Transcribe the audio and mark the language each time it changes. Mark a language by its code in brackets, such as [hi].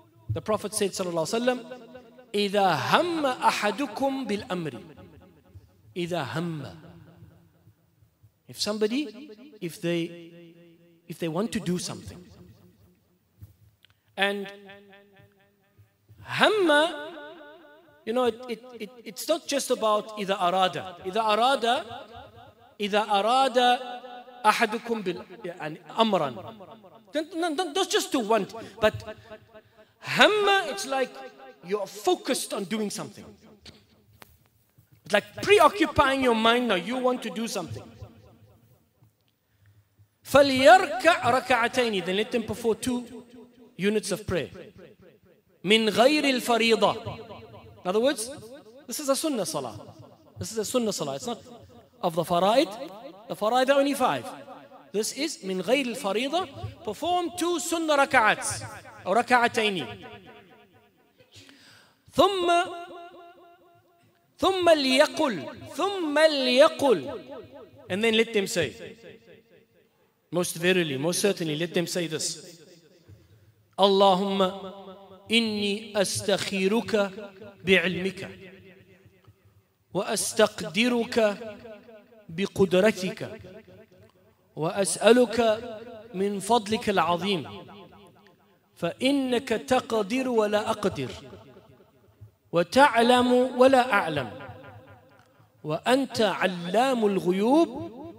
[en] The Prophet said, [ar] صلى الله عليه وسلم, إِذَا هَمَّ أَحَدُكُمْ بِالْأَمْرِ. إِذَا هَمَّ. [en] If somebody, if they want to do something. And هَمَّ, you know, it's not just about [ar] إِذَا أَرَادَ. إِذَا أَرَادَ, إِذَا أَرَادَ أَحَدُكُمْ بِالْأَمْرًا. [en] Not just to want, but هَمَّ, it's like you're focused on doing something. It's like preoccupying your mind now. You want to do something. [ar] فَلْيَرْكَعْ رَكَعَتَيْنِ. [en] Then let them perform two units of prayer. [ar] مِنْ غَيْرِ الْفَرِيضَةِ. [en] In other words, this is a sunnah salah. This is a sunnah salah. It's not of the fara'id. The fara'id are only five. This is [ar] مِنْ غَيْرِ الْفَرِيضَةِ. [en] Perform two sunnah raka'ats. Or raka'atayni. [ar] ثُمَّ لِيَقُلْ. ثُمَّ لِيَقُلْ. [en] And then let them say. Most verily, most certainly, let them say this. [ar] اللهم إني أستخيرك بعلمك وأستقدرك بقدرتك وأسألك من فضلك العظيم فإنك تقدر ولا أقدر وتعلم ولا أعلم وأنت علام الغيوب.